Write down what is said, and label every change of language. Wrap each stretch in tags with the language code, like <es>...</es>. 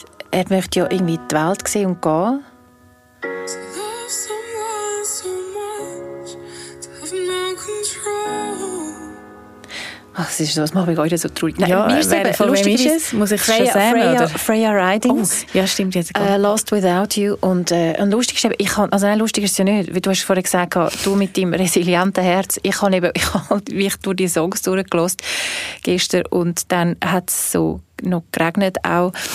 <de>Er möchte ja irgendwie die Welt sehen und gehen.</de> <en>To love someone so much, to have no control.</en> <de>Ach, das macht mich auch so traurig. Nein, ja, von wem ist es? Muss ich Freya, schon sagen, Freya, oder? Freya Riding. Oh, ja, stimmt. Jetzt Lost Without You. Und lustig ist eben, lustig ist es ja nicht, wie du hast vorhin gesagt hast, du mit deinem resilienten Herz. Ich habe eben, wie ich durch die Songs durchgelost gestern und dann hat es so noch geregnet auch.</de>